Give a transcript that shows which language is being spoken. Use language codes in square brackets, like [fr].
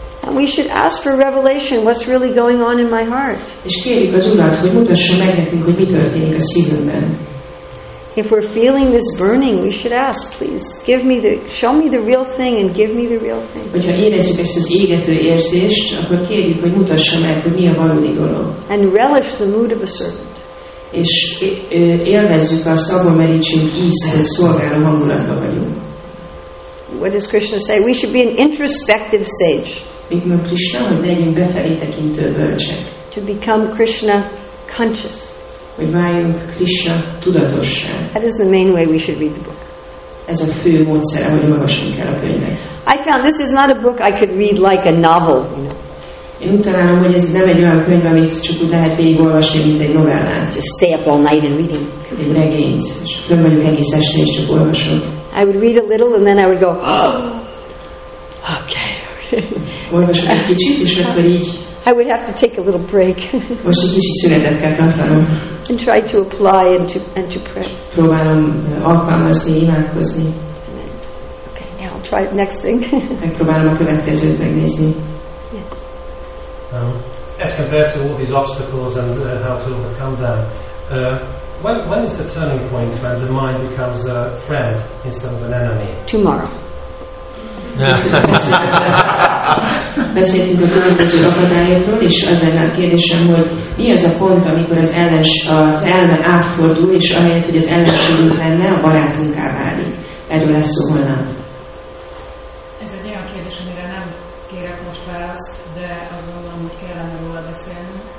[en] And we should ask for revelation, what's really going on in my heart. [hu] És kérjük az Urat, hogy mutasson meg nekünk, hogy mi történik a szívünkben. [en] If we're feeling this burning, we should ask, please, give me the, show me the real thing and give me the real thing. [hu] Hogyha érezzük ezt az égető érzést, akkor kérjük, hogy mutassa meg, hogy mi a valódi dolog. [en] And relish the mood of a servant. [hu] És élvezzük azt, abban merítsünk ízt, hogy szolgáló hangulatban vagyunk. [en] What does Krishna say? We should be an introspective sage. [hu] Mint mondja Krishna, hogy legyünk befelé tekintő bölcsek. [en] To become Krishna conscious. [hu] Hogy váljunk Krishna tudatossá. [en] That is the main way we should read the book. [hu] Ez a fő módszer, ahogy olvasunk el a könyvet. [en] I found this is not a book I could read like a novel, you know. [hu] Én úgy találom, hogy ez nem egy olyan könyv, amit csak úgy lehet végigolvasni, mint egy novellát. [en] Just stay up all night and reading. [hu] Egy regényt, és fönn vagyok egész este, és csak olvasom. [en] I would read a little and then I would go, oh, okay, okay. [hu] Olvasom egy kicsit, és akkor így. [en] I would have to take a little break. [hu] Most egy kicsit szünetet kell tartanom. [en] And try to apply and to pray. [hu] Próbálom alkalmazni, imádkozni. [en] Okay, now I'll try the next thing. [hu] Megpróbálom a következőt megnézni. [en] As compared to all these obstacles and how to overcome them, when is the turning point when the mind becomes a friend instead of an enemy? Tomorrow. [hu] Beszéltünk a különböző akadályokról, és az ennek kérdésem, hogy mi az a pont, amikor az ellens, az elme átfordul, és ahelyett, hogy az ellenségünk lenne, a barátunkká válik. Erről lesz szó holnap. Ez egy olyan kérdés, amire nem kérek most választ, de azt gondolom, hogy kellene róla beszélni.